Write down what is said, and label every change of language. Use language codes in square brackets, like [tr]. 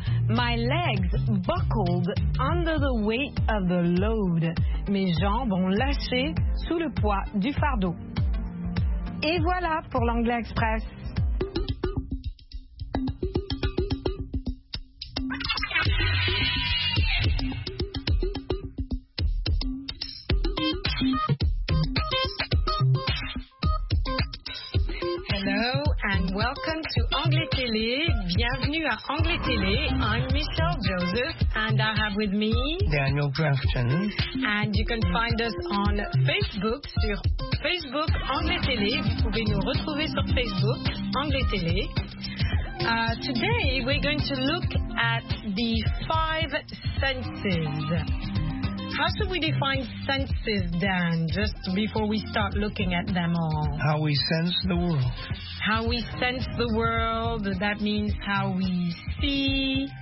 [en] My legs buckled under the weight of the load. [fr] Mes jambes ont lâché sous le poids du fardeau. Et voilà pour l'Anglais Express. Bienvenue à Anglais Télé. [en] I'm Michelle Joseph and I have with me Daniel Grafton. And you can find us on Facebook [fr] sur Facebook Anglais Télé. Vous pouvez nous retrouver sur Facebook Anglais Télé. [en] Today we're going to look at the five senses. How should we define senses, Dan, just before we start looking at them all? How we sense the world. How we sense the world, that means how we see.